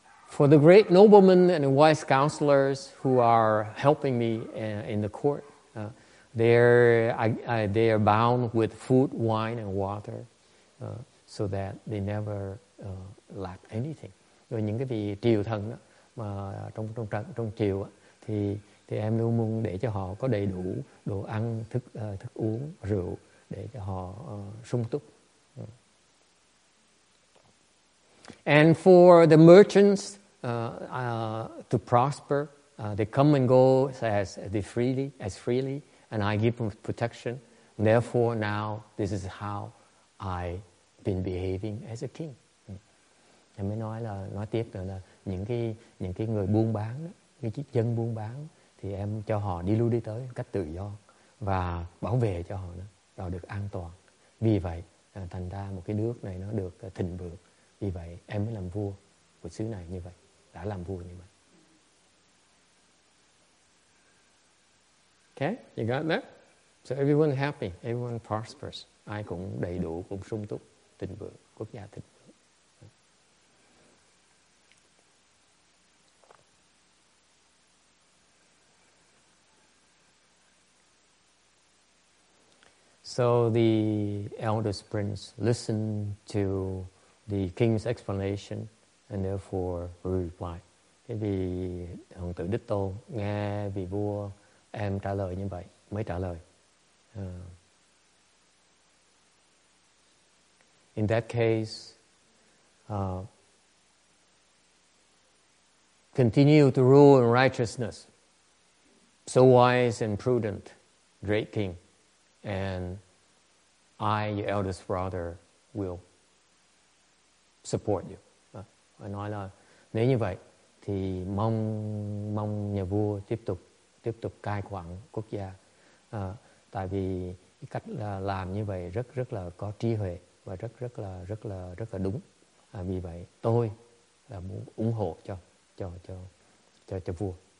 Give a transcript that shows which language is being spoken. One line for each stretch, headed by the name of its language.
English: For the great noblemen and wise counselors who are helping me in the court, they are bound with food, wine, and water, so that they never lack anything.
Vietnamese: Rồi những cái vị triều thần đó, mà trong triều á, thì em luôn muốn để cho họ có đầy đủ đồ ăn, thức uống, rượu để cho họ sung túc.
English: And for the merchants to prosper, they come and go as freely, and I give them protection. Therefore, now this is how I've been behaving as a king.
Vietnamese: Em mới nói tiếp nữa là những cái người buôn bán đó, cái chiếc dân buôn bán thì em cho họ đi lui đi tới cách tự do và bảo vệ cho họ đó, họ được an toàn. Vì vậy thành ra một cái nước này nó được thịnh vượng. Vì vậy em mới làm vua của xứ này như vậy. Đã làm vua như vậy.
English: Okay, you got that? So everyone happy, everyone prosperous.
Vietnamese: Ai cũng đầy đủ, cũng sung túc, thịnh vượng, quốc gia thịnh vượng.
English: So the eldest prince listened to the king's explanation, and therefore replied.
Vietnamese: Cái vị hoàng tử đích tôn nghe vị vua em trả lời như vậy mới trả lời.
English: In that case, continue to rule in righteousness, so wise and prudent, great king, and I, your eldest brother, will support you.
Vietnamese: Nói là nếu như vậy thì mong nhà vua tiếp tục cai quản quốc gia, tại vì cái cách làm như vậy rất là có trí huệ và rất là đúng. Vì vậy tôi là muốn ủng hộ cho vua.